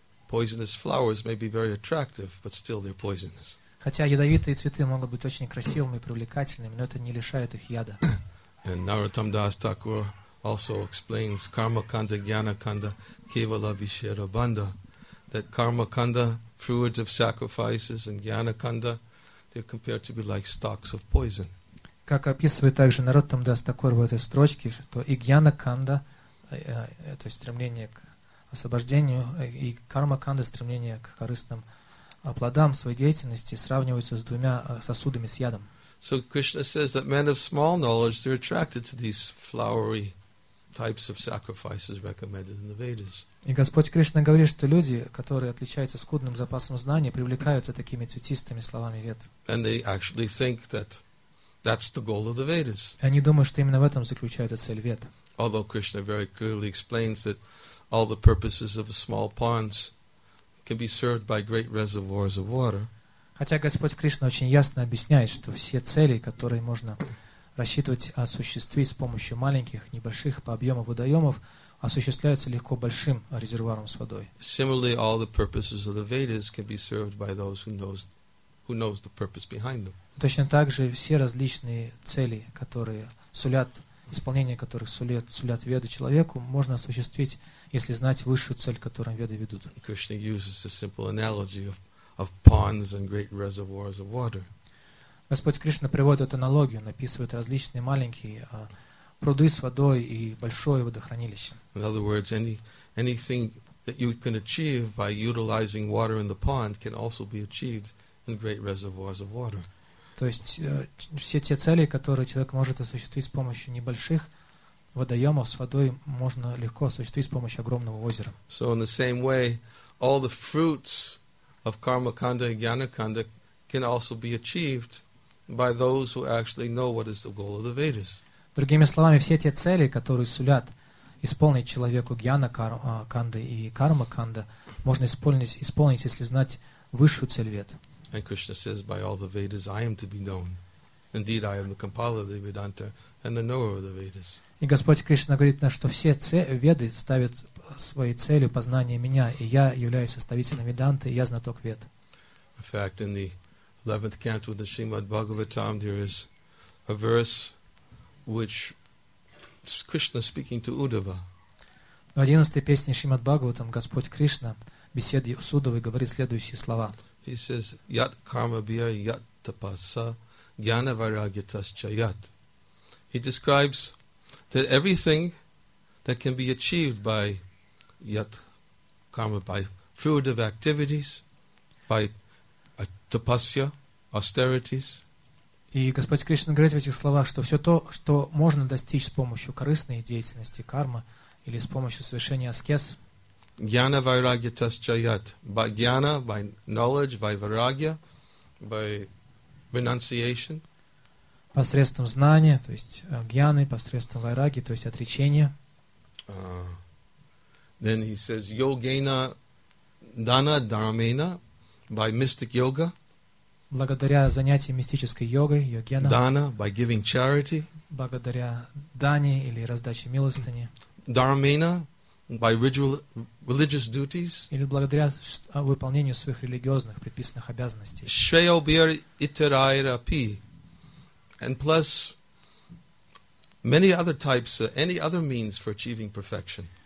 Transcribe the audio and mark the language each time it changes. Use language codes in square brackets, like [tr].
[en] Poisonous flowers may be very attractive, but still they're poisonous. [ru] Хотя ядовитые цветы могут быть очень красивыми и привлекательными, но это не лишает их яда. [en] And Narottam Das Thakur also explains [sa] karma kanda, jnana kanda, kevala vishera bandha, [en] that karma kanda, fruits of sacrifices, and jnana kanda, they're compared to be like stalks of poison. [ru] Как описывает также Narottam Das Thakur в этой строчке, что и jnana kanda, то есть стремление к освобождению, и karma kanda, стремление к корыстным плодам своей деятельности, сравниваются с двумя сосудами с ядом. [en] So Krishna says that men of small knowledge, they're attracted to these flowery types of sacrifices recommended in the Vedas. [ru] И Господь Кришна говорит, что люди, которые отличаются скудным запасом знаний, привлекаются такими цветистыми словами Вед. [en] And they actually think that that's the goal of the Vedas. [ru] И они думают, что именно в этом заключается цель Вед. [en] Although Krishna very clearly explains that all the purposes of small ponds can be served by great reservoirs of water. [ru] Хотя Господь Кришна очень ясно объясняет, что все цели, которые можно рассчитывать осуществить с помощью маленьких, небольших по объему водоемов, осуществляются легко большим резервуаром с водой. [en] Similarly, all the purposes of the Vedas can be served by those who knows the purpose behind them. [ru] Точно так же все различные цели, которые сулят, исполнение которых сулят Веды человеку, можно осуществить, если знать высшую цель, которую Веды ведут. [en] Krishna uses a simple analogy of ponds and great reservoirs of water. [ru] Господь Кришна приводит аналогию, написывает различные маленькие пруды с водой и большое водохранилище. [en] In other words, anything that you can achieve by utilizing water in the pond can also be achieved in great reservoirs of water. [ru] То есть все те цели, которые человек может осуществить с помощью небольших водоемов с водой, можно легко осуществить с помощью огромного озера. [en] So in the same way, all the fruits of karmakanda and jnanakanda can also be achieved by those who actually know what is the goal of the Vedas. [ru] Другими словами, все те цели, которые сулят исполнить человеку jnanakanda и karmakanda, можно исполнить, если знать высшую цель Вед. [en] And Krishna says, by all the Vedas I am to be known. Indeed, I am the compiler of the Vedanta and the knower of the Vedas. [ru] И Господь Кришна говорит нам, что все Веды ставят своей целью познание меня, и я являюсь составителем Веданты, и я знаток Вед. [en] In fact, in the 11th canto of the Srimad Bhagavatam, there is a verse which Krishna speaking to Uddhava. [ru] В 11th песне Srimad Bhagavatam Господь Кришна беседе Судовой говорит следующие слова. [sa] He says, yat karma bhya yat tapasa jnana vairagyatascha yat. [en] He describes that everything that can be achieved by yat karma, by fruit of activities, by tapasya, austerities. [ru] И Господь Кришна говорит в этих словах, что все то, что можно достичь с помощью корыстной деятельности, кармы, или с помощью совершения аскез. [sa] Jnana vairagya tascha yat. [en] By jnana, by knowledge, by vairagya, by renunciation. [ru] Посредством знания, то есть гьяны, посредством вайраги, то есть отречения. [en] Then he says, [sa] yogena dana dharmena, [en] by mystic yoga. [ru] Благодаря занятиям мистической йогой, йогена. [en] Dana, by giving charity. [ru] Благодаря дане или раздаче милостыни. [en] Dharmena, by ritual, religious duties. [ru] Или благодаря выполнению своих религиозных предписанных обязанностей. [sa] Shreyo bir itarayra pi. [en] And plus many other types, any other means for achieving perfection.